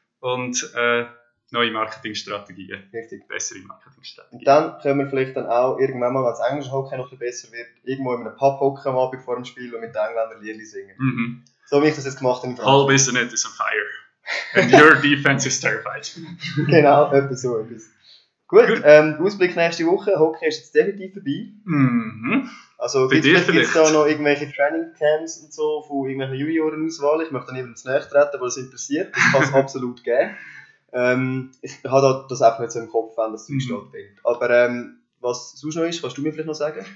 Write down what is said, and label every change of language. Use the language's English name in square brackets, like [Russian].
[German] Und neue Marketingstrategien. Richtig. Bessere Marketingstrategien. Und dann können wir vielleicht dann auch irgendwann mal, wenn das englische Hockey noch besser wird, irgendwo in einem Pub hocken am Abend vor dem Spiel und mit den Engländern Lieder singen. Mhm. So wie ich das jetzt gemacht habe. [English] Hull Bissonnette is on fire. And your defense is terrified. [German] Genau, etwas so. Etwas. Gut, Ausblick nächste Woche. Hockey ist jetzt definitiv vorbei. Mhm. Also gibt es da noch irgendwelche Training-Camps und so von irgendwelchen Junioren-Auswahl? Ich möchte da niemandem zunächst treten, weil es interessiert. Das kann es absolut geben. Ich habe das einfach nicht so im Kopf, wenn das Zeug stattfindet. Aber was sonst noch ist, kannst du mir vielleicht noch sagen?